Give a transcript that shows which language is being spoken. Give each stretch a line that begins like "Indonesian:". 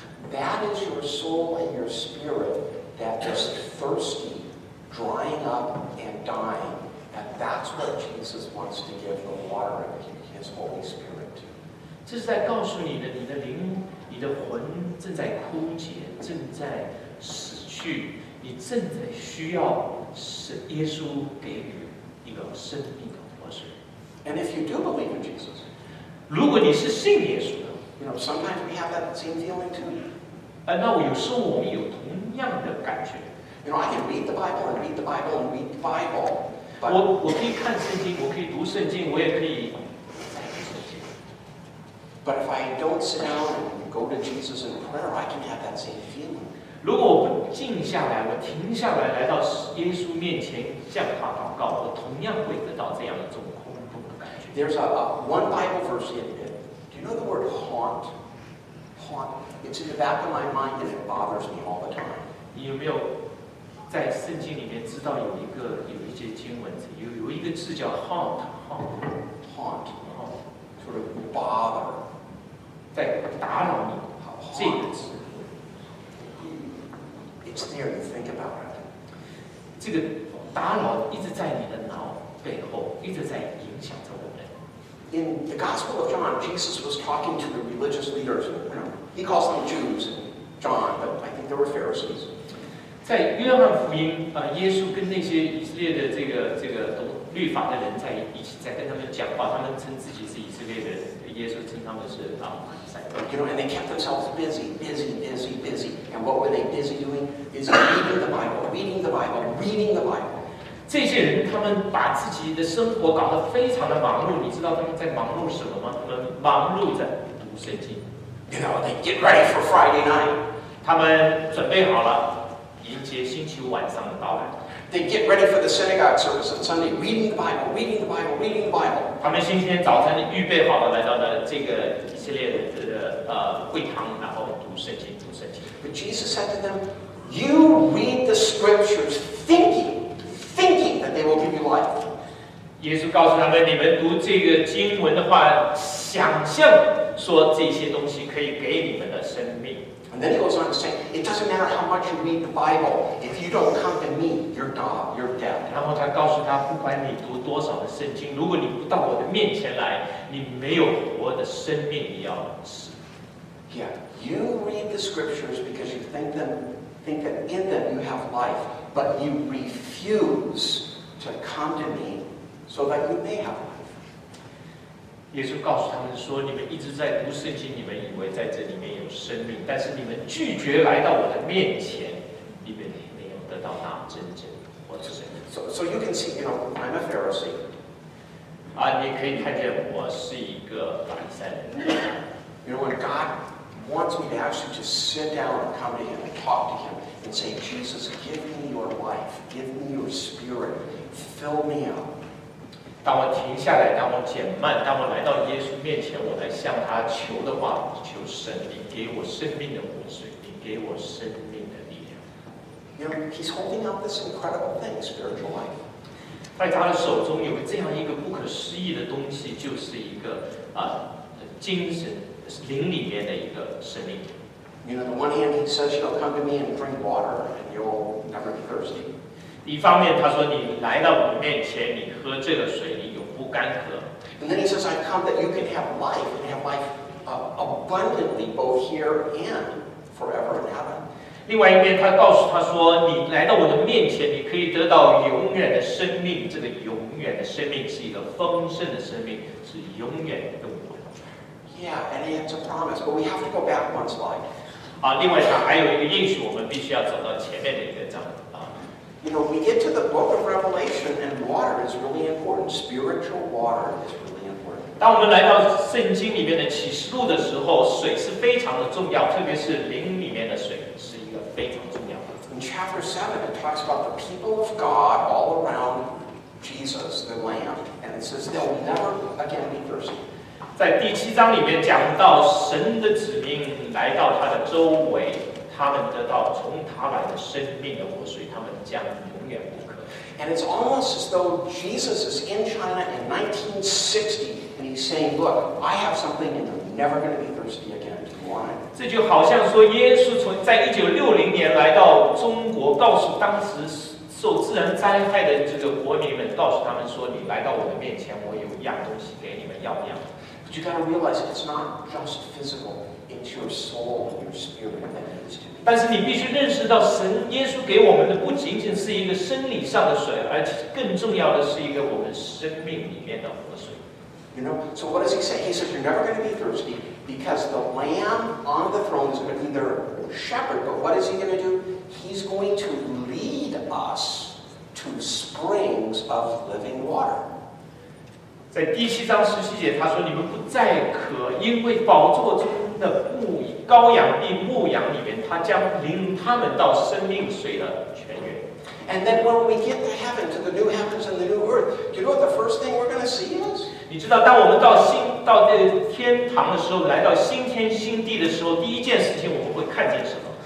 English: That is your soul and your spirit that is thirsty, drying up and dying. And that's what Jesus wants to give the water of His Holy Spirit to.
Chinese: 这是在告诉你的，你的灵。你的魂正在枯竭，正在死去，你正在需要是耶稣给予一个生命的活水。
English: And if you do believe in Jesus,
Chinese: 如果你是信耶稣的
English: ，you know sometimes we have that same feeling too.
Chinese: 那有时候我们有同样的感觉。
English: You know, I can read the Bible and read the Bible and read the Bible.
Chinese: 我可以看圣经，我可以读圣经，我也可以再读圣经。
English: But if I don't sit down and go to Jesus in prayer, I can have that same feeling.
Chinese: 如果我不静下来，我停下来，来到耶稣面前向他祷告，我同样会得到这样一种空洞的感觉。
English: There's a one Bible verse in it. Do you know the word haunt? Haunt. It's in the back of my mind and it bothers me all the time.
Chinese: 你有没有在圣经里面知道有一些经文有一个字叫 haunt, haunt,
English: haunt, haunt, sort of bother.
Chinese: 在打扰你，好这个字
English: ，It's there. You think about it.
Chinese: 这个打扰一直在你的脑背后，一直在影响着我们。
English: In the Gospel of John, Jesus was talking to the religious leaders. You know, he calls them Jews, John, but I think they were Pharisees.
Chinese: 在约翰福音，耶稣跟那些以色列的这个律法的人在一起，在跟他们讲话，他们称自己是以色列人。耶稣称他们是
English: You know, and they kept themselves busy, busy, busy, busy. And what were they busy doing? Is reading the Bible, reading the Bible, reading the Bible.
Chinese: 这些人他们把自己的生活搞得非常的忙碌。你知道他们在忙碌什么吗？他们忙碌在读圣经。
English: You know, they get ready for Friday night.
Chinese: 他们准备好了迎接星期五晚上的到来。
English: They get ready for the synagogue service on Sunday, reading the Bible, reading the Bible, reading the Bible.
Chinese: 他们星期天早晨预备好了来到了这个以色列的会堂，然后读圣经，读圣经。
English: But Jesus said to them, "You read the scriptures, thinking that they will give you life."
Chinese: 耶稣告诉他们，你们读这个经文的话，想象说这些东西可以给你们的生命。
English: And then he goes on to say, it doesn't matter how much you read the Bible, if you don't come to me, you're dead, you're dead.
Chinese: 然后他告诉他，不管你读多少的圣经，如果你不到我的面前来，你没有活的生命，你要死。
English: Yeah, you read the scriptures because you think that in them you have life, but you refuse to come to me so that you may have life.
Chinese: 耶稣告诉他们说，你们一直在读圣经，你们以为在这里面有生命，但是你们拒绝来到我的面前，你们没有得到那真正活的生命。
English: So you can see, you know, I'm a Pharisee.
Chinese: 你可以看见我是一个法利赛人。
English: You know, when God wants me to actually just sit down and come to him and talk to him and say, Jesus, give me your life, give me your spirit, fill me up.
Chinese: 当我停下来，当我减慢，当我来到耶稣面前，我来向他求的话，求神，你给我生命的活水，你给我生命的力量。
English: You know, he's holding out this incredible thing, spiritual life.
Chinese: 在他的手中有这样一个不可思议的东西，就是一个精神灵里面的一个生命。
English: You know, on the one hand, he says you'll come to me and drink water, and you'll never be thirsty.
Chinese: 一方面他说你来到我面前你喝这个水你永不干渴。
English: And then he says, I come that you can have life, and have life abundantly both here and forever in heaven.
Chinese: 另外一面他告诉他说你来到我的面前你可以得到永远的生命这个永远的生命是一个丰盛的生命是永远的永远。
English: Yeah, and it's a promise, but we have to go back one slide.
Chinese: 另外他还有一个应许我们必须要走到前面的一个章。
English: You know, we get to the book of Revelation, and water is really important. Spiritual water is really important.
Chinese: 当我们来到圣经里面的启示录的时候，水是非常的重要，特别是灵里面的水是一个非常重要的。
English: In chapter 7, it talks about the people of God all around Jesus, the Lamb, and it says they'll never again be thirsty.
Chinese: 在第七章里面讲到神的子民来到他的周围。他们得到从他来的生命的活水，他们将永远不渴。
English: And it's almost as though Jesus is in China in 1960, and he's saying, "Look, I have something, and you're never going to be thirsty again. Do you want it?"
Chinese: 这就好像说，耶稣从在1960年来到中国，告诉当时受自然灾害的这个国民们，告诉他们说：“你来到我的面前，我有一样东西给你们，要不要？”
English: But you got to realize it's not just physical. It's your soul, your spirit that needs to be.
Chinese: 但是你必须认识到神耶稣给我们的不仅仅是一个生理上的水，而更重要的是一个我们生命里面的活水。
English: You know, so what does he say? He says you're never going to be thirsty because the Lamb on the throne is going to be their shepherd. But what is he going to do? He's going to lead us to springs of living water.
Chinese: 在第七章十七节，他说：“你们不再渴，因为宝座中的羔羊并牧羊里面，他将领他们到生命水的泉源。”
English: And then when we get to heaven, to the new heavens and the new earth, do you know what the first thing we're going to see is?
Chinese: 你知道，当我们到这天堂的时候，来到新天新地的时候，第一件事情我们会看见什么？